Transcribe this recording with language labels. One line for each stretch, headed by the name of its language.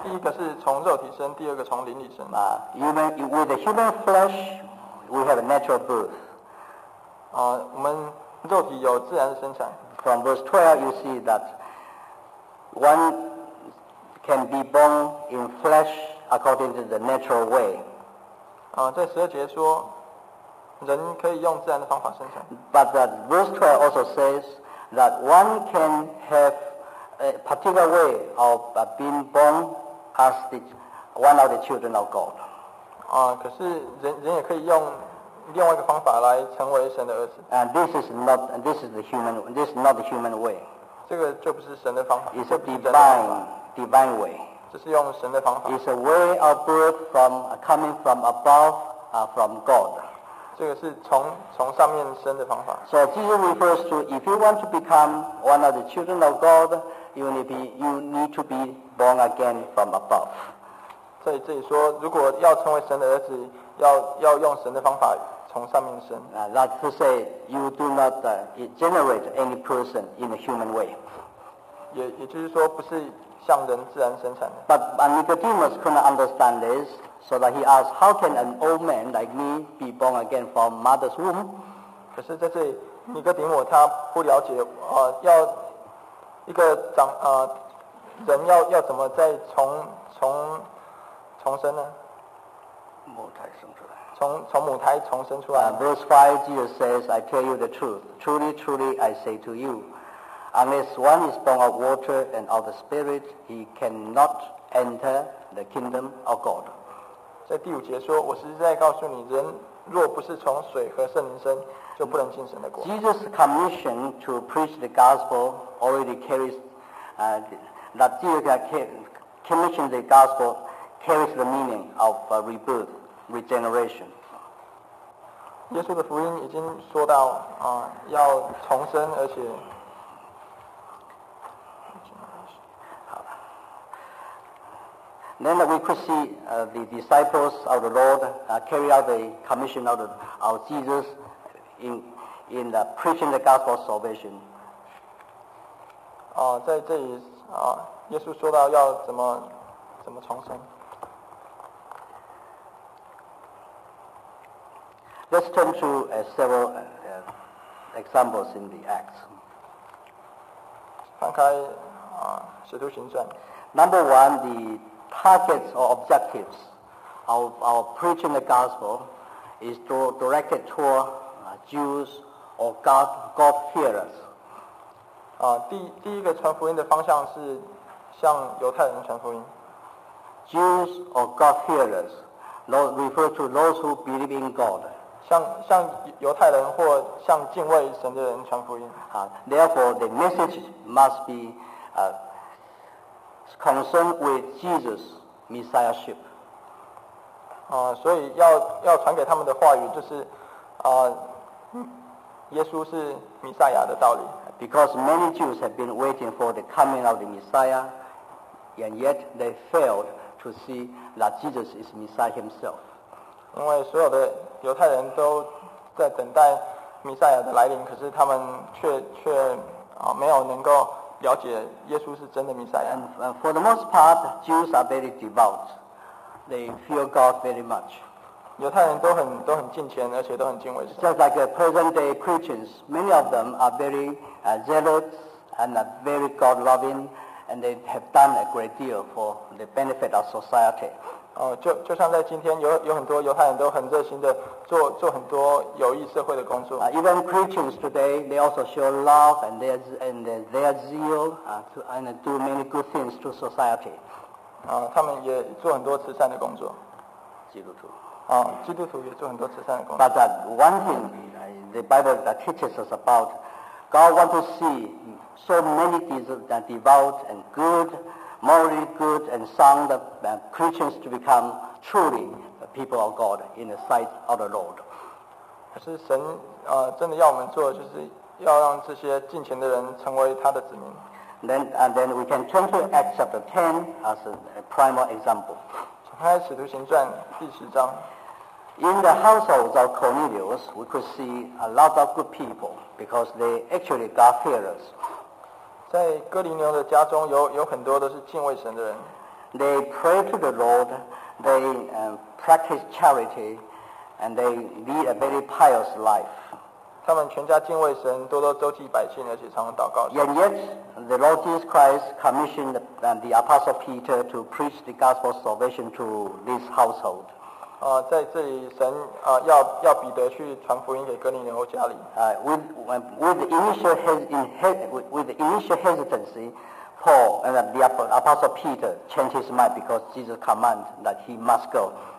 Chinese: 第一个是从肉体生，第二个从灵里生。
English: With the human flesh, we have a natural birth.
Chinese: 我们肉体有自然的生产。
English: From verse 12, you see that one can be born in flesh according to the natural way.
Chinese: 在十二节说，人可以用自然的方法生成。
English: But that verse 12 also says that one can have a particular way of being born as the one of the children of God.
Chinese: 可是人也可以用另外一个方法来成为神的儿子。
English: And this is not the human way.
Chinese: 这个就不是神的方法。
English: It's a divine way.
Chinese: 这是用神的方法。
English: It's a way of birth from coming from above, from God.
Chinese: 这个是从上面生的方法。
English: So Jesus refers to if you want to become one of the children of God, you need to be born again from above.
Chinese: 在这里说，如果要成为神的儿子，要用神的方法。从上面生。
English: That to say, you do not generate any person in a human way.
Chinese: 也就是说，不是像人自然生产的。
English: But Nicodemus couldn't understand this, so that he asked, "How can an old man like me be born again from mother's womb?"
Chinese: 可是在这里，尼哥底母他不了解，要一个长人要怎么再重生呢？母胎生出来。从母胎重生出来。
English: Verse 5, Jesus says, I tell you the truth. Truly, truly, I say to you, unless one is born of water and of the Spirit, he cannot enter the kingdom of God.
Chinese: 在第五节说，我实在告诉你，人若不是从水和圣灵生，就不能进神的国。
English: Jesus' commission to preach the gospel already carries, that Jesus commissioned the gospel carries the meaning of rebirth. Regeneration.
Chinese: 耶稣的福音已经说到要重生，而且好了。
English: Then we could see the disciples of the Lord carry out the commission of Jesus in the preaching the gospel of salvation.
Chinese: 在这里耶稣说到要怎么重生。
English: Let's turn to several examples in the Acts.
Chinese: 翻开《使徒行传》。
English: Number one, the targets or objectives of our preaching the gospel is directed toward Jews or God-fearers.
Chinese: 第一个传福音的方向是向犹太人传福音。
English: Jews or God-fearers refer to those who believe in God.
Chinese: 像犹太人或像敬畏神的人传福音。
English: Therefore, the message must be concerned with Jesus' messiahship.
Chinese: 所以要传给他们的话语就是耶稣是弥赛亚的道理。
English: Because many Jews have been waiting for the coming of the Messiah, and yet they failed to see that Jesus is Messiah himself.
Chinese: 因为所有的犹太人都在等待弥赛亚的来临，可是他们却没有能够了解耶稣是真的弥赛亚。
English: And for the most part, Jews are very devout. They fear God very much.
Chinese: 犹太人都很敬虔，而且都很敬畏神。
English: Just like present-day Christians, many of them are very zealous and very God-loving, and they have done a great deal for the benefit of society.
Chinese: 就像在今天有很多犹太人都很热心的做很多有益社会的工作。
English: Even Christians today, they also show love and their zeal and do many good things to society.
Chinese: 他们也做很多慈善的工作。基督徒也做很多慈善的工作。
English: But one thing the Bible that teaches us about, God wants to see so many devout and good. Morally good and sound Christians to become truly the people of God in the sight of the Lord.
Chinese: 可是神真的要我们做，就是要让这些敬虔的人成为他的子民。
English: Then we can turn to Acts chapter 10 as a primal example.
Chinese: 请看《使徒行传》第十章。
English: In the household of Cornelius, we could see a lot of good people because they actually God fearers.
Chinese: 在哥林牛的家中有很多都是敬畏神的人。
English: They pray to the Lord, they practice charity, and they lead a very pious life.
Chinese: 他们全家敬畏神，多多周济百姓，而且常常祷告。
English: And yet, the Lord Jesus Christ commissioned the Apostle Peter to preach the gospel salvation to this household.
Chinese: 在这里神要彼得去传福音给哥尼流家里。
English: With the initial hesitancy, Paul and the Apostle Peter changed his mind because Jesus commanded that he must go.